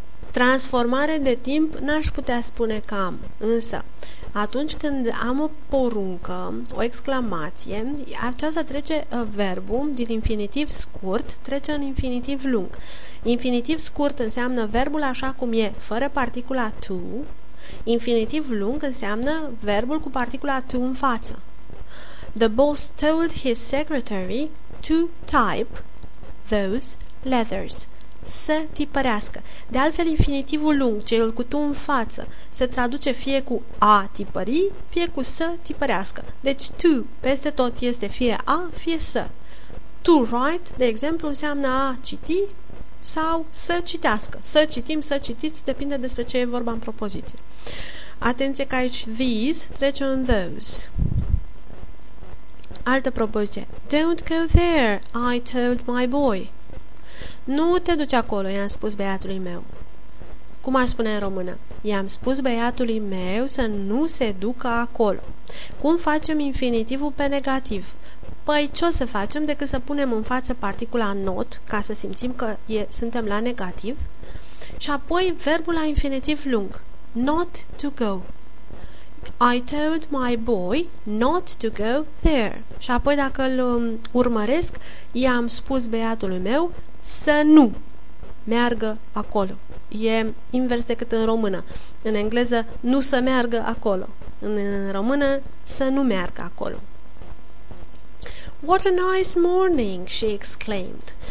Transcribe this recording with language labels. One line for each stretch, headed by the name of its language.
Romanian: Transformare de timp n-aș putea spune cam, însă atunci când am o poruncă, o exclamație, aceasta trece verbul din infinitiv scurt, trece în infinitiv lung. Infinitiv scurt înseamnă verbul așa cum e, fără particula to. Infinitiv lung înseamnă verbul cu particula to în față.
English: The boss told his secretary to type those letters.
Romanian: Să tipărească. De altfel, infinitivul lung, cel cu tu în față, se traduce fie cu a tipări, fie cu să tipărească. Deci to peste tot este fie a, fie să. To write, de exemplu, înseamnă a citi sau să citească. Să citim, să citiți, depinde despre ce e vorba în propoziție. Atenție că aici these trece în those. Altă propoziție.
English: Don't go there, I told my boy.
Romanian: Nu te duci acolo, i-am spus băiatului meu. Cum aș spune în română? I-am spus băiatului meu să nu se ducă acolo. Cum facem infinitivul pe negativ? Păi ce o să facem decât să punem în față particula not, ca să simțim că suntem la negativ, și apoi verbul la infinitiv lung, not to go.
English: I told my boy not to go there.
Romanian: Și apoi dacă îl urmăresc, i-am spus băiatului meu să nu meargă acolo. E invers decât în română. În engleză, nu să meargă acolo. În română, să nu meargă acolo.
English: What a nice morning, she exclaimed.